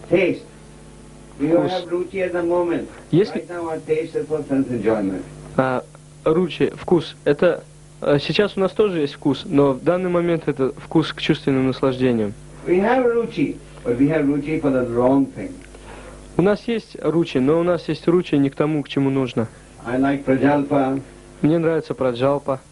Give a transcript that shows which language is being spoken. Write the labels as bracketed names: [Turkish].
[English] Taste. You [Russian] вкус. [English] Have ruchi at the moment. [Russian] Если... [English] Right now our taste is for sense enjoyment. [Russian] Ручи, вкус. Это сейчас у нас тоже есть вкус, но в данный момент это вкус к чувственным наслаждениям. [English] We have ruchi, but we have ruchi for the wrong thing. [Russian] У нас есть ручи, но у нас есть ручи не к тому, к чему нужно. [English] I like prajalpa. [Russian] Мне нравится праджалпа.